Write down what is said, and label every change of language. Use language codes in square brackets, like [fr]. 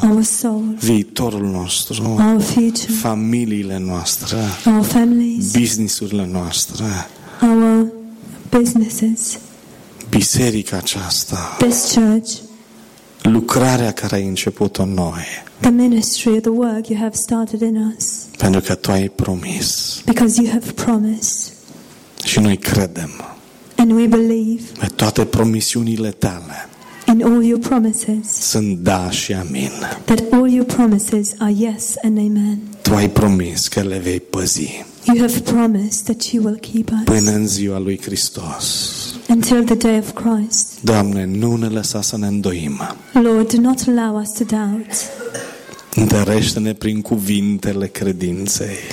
[en] Our soul. [ro] Viitorul nostru. [en] Our future. [ro] Familiile noastre. [en] Our families. [ro] Businessurile noastre. [en] Our businesses. [ro] Biserica aceasta. [en] This church. [ro] Lucrarea care ai început în noi. [en] The ministry, the work you have started in us. [ro] Pentru că tu ai promis. [en] Because you have promised. [ro] Și noi credem. [en] And we believe. [ro] Pe toate promisiunile tale. [en] In all your promises. [ro] Sunt da și amin. [en] That all your promises are yes and amen. [ro] Tu ai promis că le vei păzi. [en] You have promised that you will keep us. [ro] Până în ziua lui Hristos. [en] Until the day of Christ. [ro] Doamne, nu ne lăsa să ne îndoim. [en] Lord, do not allow us to doubt. [ro] Întărește-ne prin cuvintele credinței.